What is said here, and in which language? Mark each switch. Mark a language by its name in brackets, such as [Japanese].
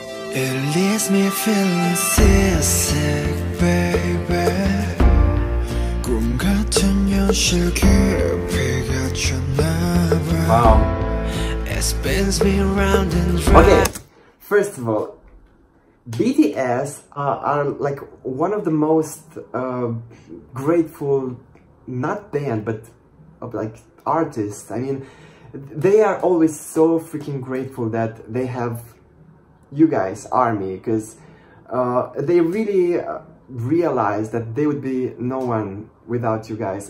[English] It leaves me feeling seasick, baby. [Korean] 꿈 같은 현실 깊이 갇혔나봐. [English] Wow. Spins me round and round. Okay, first of all, BTS are like one of the most grateful, not band, but like artists. I mean, they are always so freaking grateful that they have you guys, ARMY, because they really realize that they would be no one without you guys.